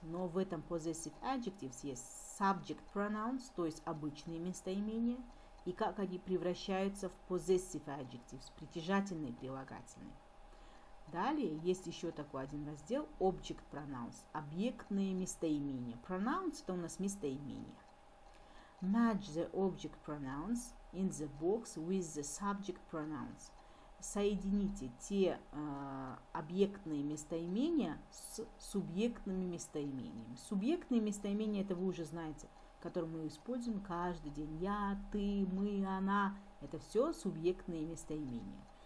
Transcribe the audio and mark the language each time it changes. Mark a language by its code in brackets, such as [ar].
[ru] Но в этом [en] possessive adjectives [ru] есть [en] subject pronouns, [ru] то есть обычные местоимения. И как они превращаются в [en] possessive adjectives, [ru] притяжательные прилагательные. Далее есть еще такой один раздел [en] Object Pronouns, [ru] объектные местоимения. Pronouns – это у нас местоимение. [en] Match the object pronouns in the box with the subject pronouns. [ru] Соедините те объектные местоимения с субъектными местоимениями. Субъектные местоимения – это вы уже знаете, которые мы используем каждый день. Я, ты, мы, она – это все субъектные местоимения.